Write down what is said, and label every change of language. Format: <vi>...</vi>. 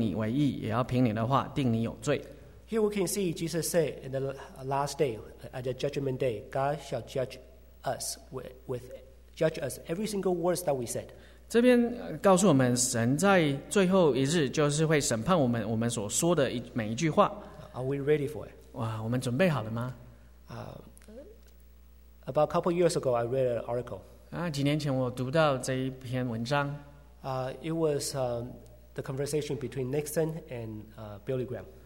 <zh>马太福音十二章三十六节，三十七节，三十六节，我又告诉你们，凡人所说的闲话，当审判的日子，必要句句供出来。三十七节，因为要凭你的话定你为义，也要凭你的话定你有罪。Here</zh> <en>we can see Jesus say in the last day at the judgment day, God shall judge us with every single word that we said.</en> <zh>这边告诉我们，神在最后一日就是会审判我们所说的每一句话。</zh> <en>Are we ready for it?</en> <zh>哇，我们准备好了吗？</zh> <en>About a couple years ago, I read an article.</en> <zh>几年前我读到这一篇文章。</zh> <en>It was the conversation between Nixon and Billy Graham.</en>